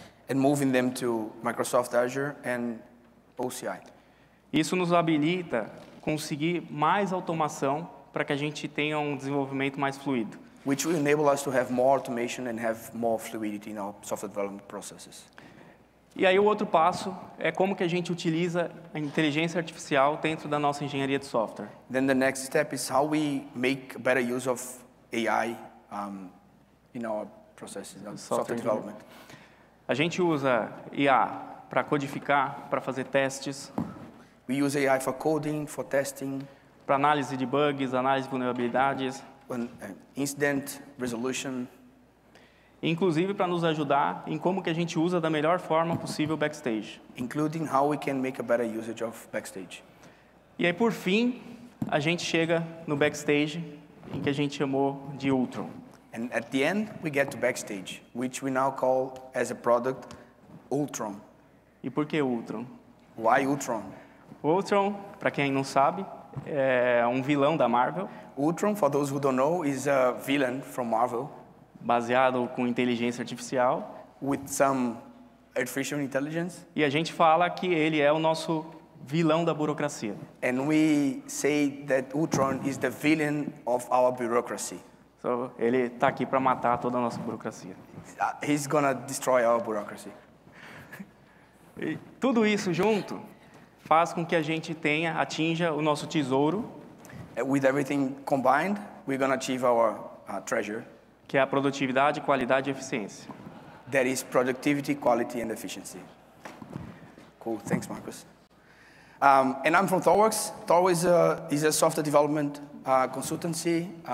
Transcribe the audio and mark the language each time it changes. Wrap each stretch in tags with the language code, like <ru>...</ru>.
<en>And moving them to Microsoft Azure and OCI.</en> <pt>Isso nos habilita conseguir mais automação para que a gente tenha um desenvolvimento mais fluido.</pt> <en>Which will enable us to have more automation and have more fluidity in our software development processes.</en> <pt>E aí o outro passo é como que a gente utiliza a inteligência artificial dentro da nossa engenharia de software.</pt> <en>Then the next step is how we make better use of AI in our processes of software development.</en> <pt>A gente usa IA para codificar, para fazer testes.</pt> <en>We use AI for coding, for testing.</en> <pt>Para análise de bugs, análise de vulnerabilidades.</pt> <en>Incident resolution.</en> <pt>Inclusive para nos ajudar em como que a gente usa da melhor forma possível o backstage.</pt> <en>Including how we can make a better usage of backstage.</en> <pt>E aí, por fim, a gente chega no backstage, em que a gente chamou de Ultron.</pt> <en>And at the end, we get to backstage, which we now call, as a product, Ultron.</en> <pt>E por que Ultron?</pt> <en>Why Ultron?</en> <pt>Ultron, para quem não sabe, é um vilão da Marvel.</pt> <en>Ultron, for those who don't know, is a villain from Marvel.</en> <pt>Baseado com inteligência artificial.</pt> <en>With some artificial intelligence.</en> <pt>E a gente fala que ele é o nosso vilão da burocracia.</pt> <en>And we say that Ultron is the villain of our bureaucracy.</en> <pt>So, ele está aqui para matar toda a nossa burocracia.</pt> <en>He's gonna destroy our bureaucracy.</en> <pt>E tudo isso junto faz com que a gente tenha, atinja o nosso tesouro.</pt> <en>With everything combined, we're gonna achieve our treasure.</en> <pt>Que é a produtividade, qualidade e eficiência.</pt> <en>That is productivity, quality and efficiency. Cool, thanks, Marcus. And I'm from Thoughtworks. Thoughtworks is a software development consultancy.</en>